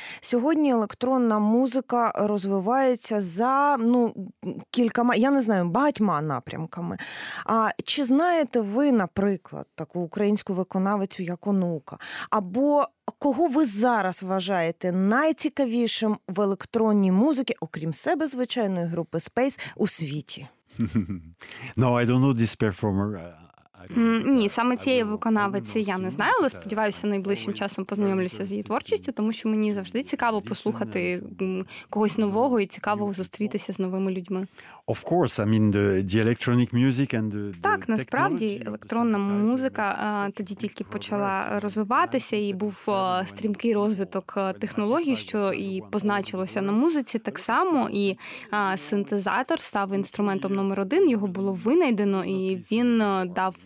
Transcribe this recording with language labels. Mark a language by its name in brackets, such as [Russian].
[Ukrainian] Сьогодні електронна музика розвивається за кількома, я не знаю, багатьма напрямками. А чи знаєте ви, наприклад, таку українську виконавицю як Онука? Або кого ви зараз вважаєте найцікавішим в електронній музиці, окрім себе, звичайно, і групи Space, у світі? [English] No, I don't know this performer. [Ukrainian] Ні, саме цієї виконавиці я не знаю, але сподіваюся, найближчим часом познайомлюся з її творчістю, тому що мені завжди цікаво послухати когось нового і цікаво зустрітися з новими людьми. [English] Of course, I mean the electronic music and the [Ukrainian] так, насправді електронна музика тоді тільки почала розвиватися, і був стрімкий розвиток технологій, що і позначилося на музиці так само, і синтезатор став інструментом номер один, його було винайдено, і він дав